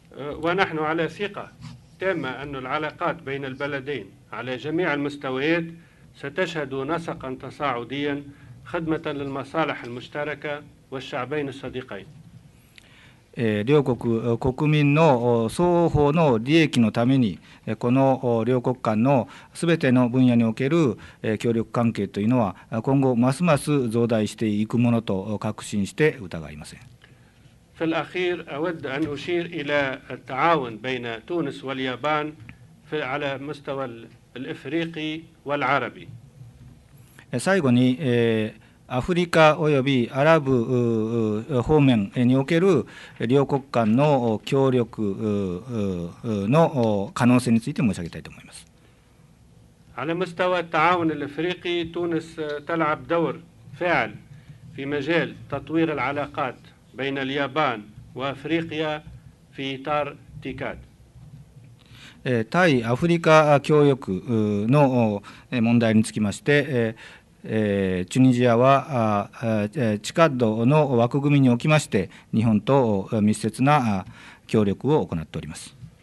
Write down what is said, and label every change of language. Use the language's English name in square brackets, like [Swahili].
[Arabic] ونحن على ثقة تامة أن العلاقات بين البلدين على جميع المستويات ستشهد نسقا تصاعديا خدمة للمصالح المشتركة والشعبين الصديقين。 [Japanese] 両国国民の双方の利益のために、この両国間のすべての分野における協力関係というのは今後ますます増大していくものと確信して疑いません。 [Arabic] في الأخير أود أن أشير إلى التعاون بين تونس واليابان على المستوى الإفريقي والعربي. [Japanese] 最後にアフリカおよびアラブ方面における両国間の協力の可能性について申し上げたいと思います。 [Arabic] على مستوى التعاون الافريقي تونس تلعب دور فعال في مجال تطوير العلاقات بين اليابان وافريقيا في اطار تيكاد。 [Japanese] 対アフリカ協力の問題につきまして、チュニジアはチカッドの枠組みにおきまして日本と密接な協力を行っております。